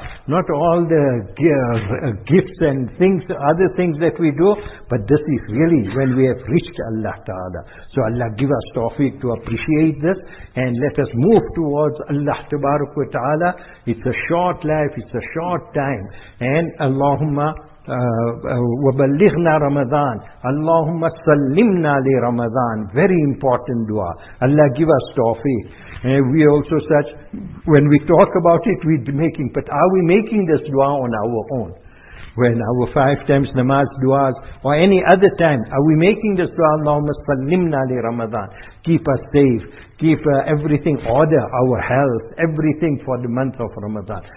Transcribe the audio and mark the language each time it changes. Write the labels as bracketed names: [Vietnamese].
[English] Not all the gifts and things, other things that we do, but this is really when we have reached Allah Ta'ala. So Allah give us tawfiq to appreciate this, and let us move towards Allah Tabarak wa Ta'ala. It's a short life, it's a short time. And [Arabic] Allahumma وَبَلِّغْنَا رَمَضَان اللَّهُمَّ سَلِّمْنَا لِرَمَضَان. [English] Very important dua. Allah give us tawfiq. We also such, when we talk about it, we're making, but are we making this dua on our own? when our five times namaz duas, or any other time, are we making this dua, Allahumma sallimna li Ramadan, keep us safe, keep everything order, our health, everything for the month of Ramadan.